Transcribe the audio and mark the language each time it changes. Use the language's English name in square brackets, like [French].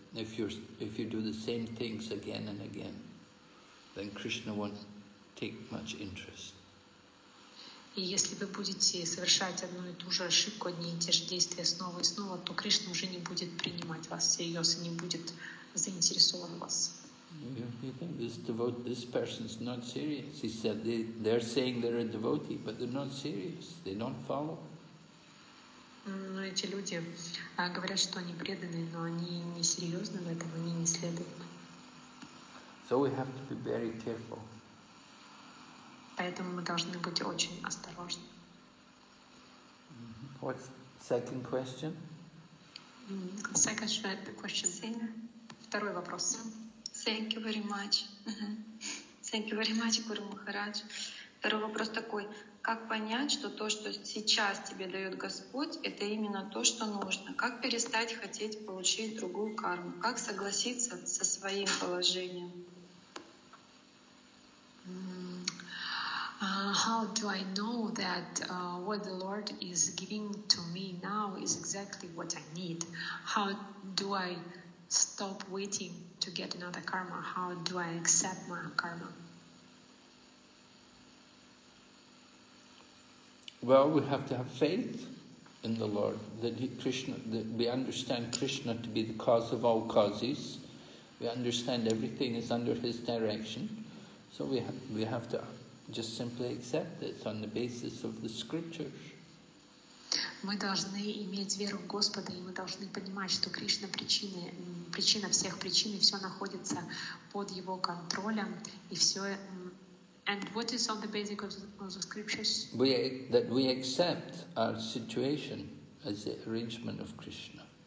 [English] If you do the same things again and again, then Krishna won't take much interest. [Russian] И если вы будете совершать одну и ту же ошибку, одни и те же действия снова и снова, то Кришна уже не будет принимать вас всерьез и не будет заинтересован в вас. [English] You think this person's not serious? He said they're saying they're a devotee, but they're not serious. They don't follow. [Russian] Но эти люди говорят, что они преданные, но они не серьезны в этом, они не следуют. [English] So we have to be very careful. [Russian] Поэтому мы должны быть очень осторожны. [English] What's second question? Second question. [Russian] Второй вопрос. [English] Thank you very much. Thank you very much, Гуру Махарадж. [Russian] Второй вопрос такой. Как понять, что то, что сейчас тебе дает Господь, это именно то, что нужно? Как перестать хотеть получить другую карму? Как согласиться со своим положением? [English] How do I know that what the Lord is giving to me now is exactly what I need? How do I stop waiting to get another karma? How do I accept my karma? Well, we have to have faith in the Lord, that he, Krishna, that we understand Krishna to be the cause of all causes. We understand everything is under his direction. So we have to just simply accept this on the basis of the scriptures. [Russian] Мы должны иметь веру в Господа, и мы должны понимать, что Кришна причина всех причин, и все находится под его контролем, и все. [English] And what is on the basis of the scriptures? That we accept our situation as the arrangement of Krishna.